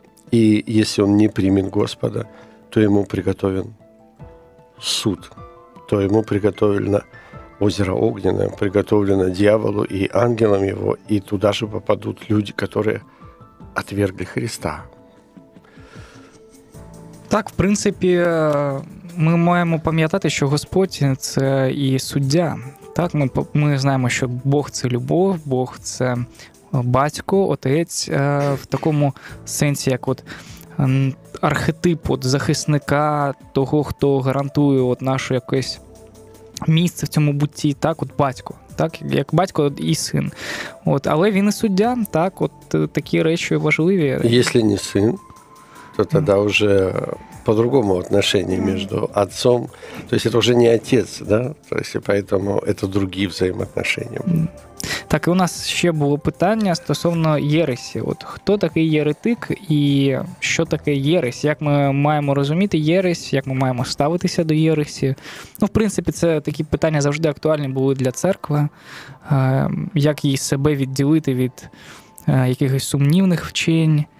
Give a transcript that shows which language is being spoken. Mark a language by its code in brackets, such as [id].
[ru] И если он не примет Господа, то ему приготовлен суд, то ему приготовлено озеро Огненное, приготовлено дьяволу и ангелам его, и туда же попадут люди, которые отвергли Христа. [uk] Так, в принципі, ми маємо пам'ятати, що Господь – це і суддя. Так, ми знаємо, що Бог – це любов, Бог – це батько, отець, в такому сенсі, як от архетип от захисника, того, хто гарантує от наше якесь місце в цьому бутті, так, от батько. Так, як батько і син. От, але він і суддя, так, от такі речі важливі. Якщо не син, [ru] то тогда уже по-другому отношение между отцом. То есть это уже не отец, да? То есть, поэтому это другие взаимоотношения. Так, и у нас еще было [uk] питання стосовно [ru] ереси. [uk] От, хто такий єретик і що таке єресь? Як ми маємо розуміти єресь? Як ми маємо ставитися до єресі? Ну, в принципі, це такі питання завжди актуальні були для церкви. Як їй себе відділити від якихось сумнівних вчень?